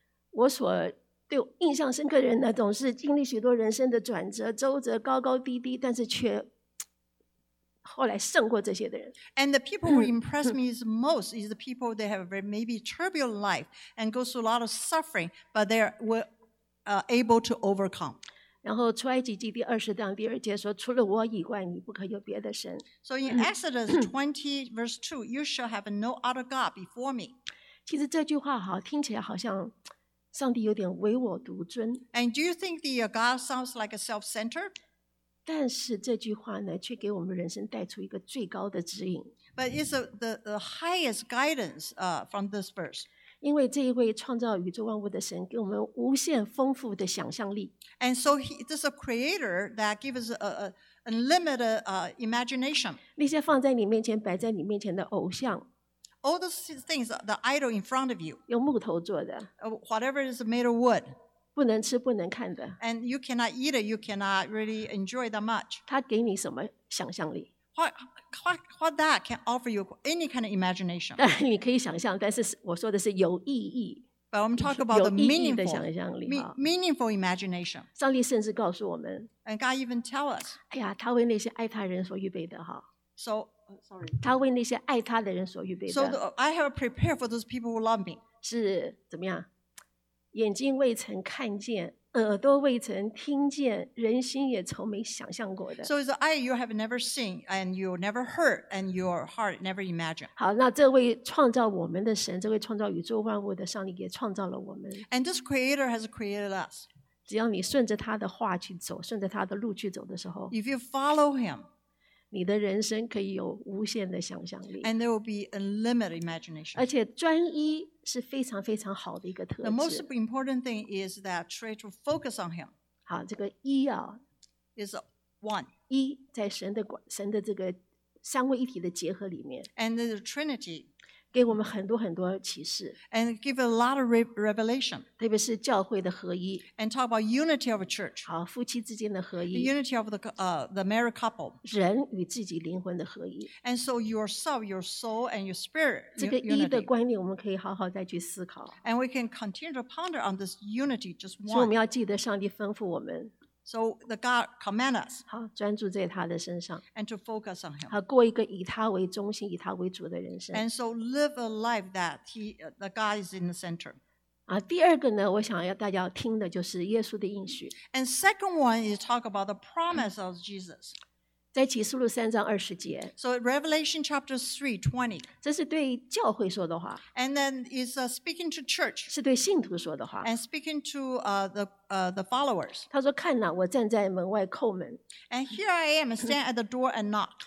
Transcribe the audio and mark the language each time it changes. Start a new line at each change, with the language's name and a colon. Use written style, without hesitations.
Chinese: 我所对我印象深刻的人呢，总是经历许多人生的转折、周折、高高低低，但是却。” 后来胜过这些的人。
English: And the people who impress me the most is the people that have a very maybe turbulent life and go through a lot of suffering, but they were able to overcome.
Chinese: 然后出埃及记第二十章第二节说：“除了我以外，你不可有别的神。”
English: So in Exodus 20 verse 2, you shall have no other god before me.
Chinese: 其实这句话好听起来好像上帝有点唯我独尊。
English: And do you think the god sounds like a self-centered?
Chinese: 但是这句话呢，却给我们人生带出一个最高的指引。
English: But it's the highest guidance from this verse.
Chinese: 因为这一位创造宇宙万物的神给我们无限丰富的想象力。
English: And so this is a creator that gives us unlimited imagination.
Chinese: 那些放在你面前、摆在你面前的偶像。
English: All those things, the idol in front of you.
Chinese: 用木头做的。
English: Whatever is made of wood.
Chinese: 不能吃不能看的。
English: And you cannot eat it, you cannot really enjoy that much.
Chinese: 它给你什么想象力
English: what that can offer you any kind of imagination.
Chinese: 但你可以想象但是我说的是有意义。
English: But I'm talking about the meaningful,
Chinese: 有意义的想象力。
English: Meaningful imagination.
Chinese: 上帝甚至告诉我们。
English: And God even tell us.
Chinese: 哎呀他为那些爱他人所预备的。
English: So,
Chinese: 他为那些爱他的人所预备的。
English: So I have prepared for those people who love me.
Chinese: 是怎么样眼睛未曾看见，耳朵未曾听见，人心也从没想象过的。
English: So the eye you have never seen, and you never heard, and your heart never imagined.
Chinese: 好，那这位创造我们的神，这位创造宇宙万物的上帝也创造了我们。
English: And this creator has created us.
Chinese: 只要你顺着他的话去走，顺着他的路去走的时候
English: ，If you follow him,
Chinese: 你的人生可以有无限的想象力。
English: And there will be unlimited imagination.
Chinese: 而且专一。是非常非常好的一个特质。
English: The most important thing is that try to focus on him.
Chinese: 好，这个一啊
English: ，is one.
Chinese: 一在神的这个三位一体的结合里面。
English: And the Trinity.
Chinese: 给我们很多很多启示。
English: And give a lot of revelation.
Chinese: 特别是教会的合一。
English: And talk about unity of a church.
Chinese: 好，夫妻之间的合一。
English: The unity of the married couple.
Chinese: 人与自己灵魂的合一。
English: And so yourself, your soul, and your spirit.
Chinese: 这个一的观念，我们可以好好再去思考。
English: And we can continue to ponder on this unity, just one.
Chinese: 所以我们要记得上帝吩咐我们。
English: So the God command us.
Chinese: 好，专注在他的身上。
English: And to focus on him.
Chinese: 好，过一个以他为中心、以他为主的人生。
English: And so live a life that the God is in the center.
Chinese: 啊，第二个呢，我想要大家要听的就是耶稣的应许。
English: And second one is talk about the promise of Jesus.
Chinese: 在启示录三章二十节。
English: So Revelation chapter 3:20.
Chinese: 这是对教会说的话。
English: And then is speaking to church.
Chinese: 是对信徒说的话。
English: And speaking to the followers.
Chinese: 他说看哪，我站在门外叩门。
English: And here I am, stand at the door and knock.